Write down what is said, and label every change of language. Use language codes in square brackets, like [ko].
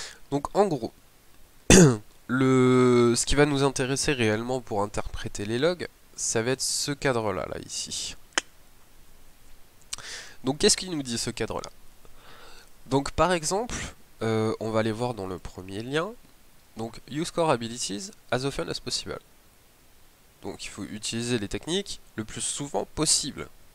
[fr] Donc en gros, ce qui va nous intéresser réellement pour interpréter les logs, ça va être ce cadre-là, là, ici. Donc qu'est-ce qu'il nous dit ce cadre-là? Donc par exemple, on va aller voir dans le premier lien. [en] Donc, use core abilities as often as possible. [fr] Donc, il faut utiliser les techniques le plus souvent possible.